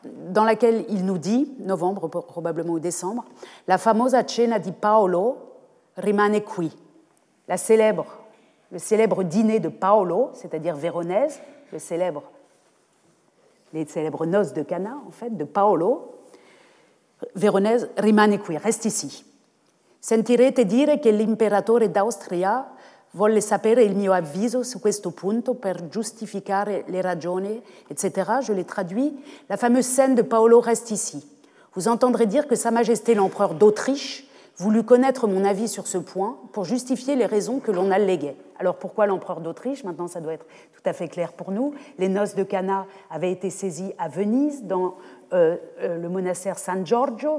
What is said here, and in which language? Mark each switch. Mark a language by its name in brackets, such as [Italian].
[French] dans laquelle il nous dit, novembre probablement ou décembre, « [Italian] La famosa cena di Paolo rimane qui. [French] » Le célèbre dîner de Paolo, c'est-à-dire Véronèse, les célèbres noces de Cana, en fait, de Paolo, Veronese [Italian] rimane qui, [French] reste ici. [Italian] Sentirete dire che l'imperatore d'Austria vuole sapere il mio avviso su questo punto per giustificare le ragioni, etc. [French] Je l'ai traduit. La fameuse scène de Paolo reste ici. Vous entendrez dire que Sa Majesté l'empereur d'Autriche voulut connaître mon avis sur ce point pour justifier les raisons que l'on alléguait. Alors pourquoi l'empereur d'Autriche ? Maintenant, ça doit être tout à fait clair pour nous. Les noces de Cana avaient été saisies à Venise, dans le monastère San Giorgio.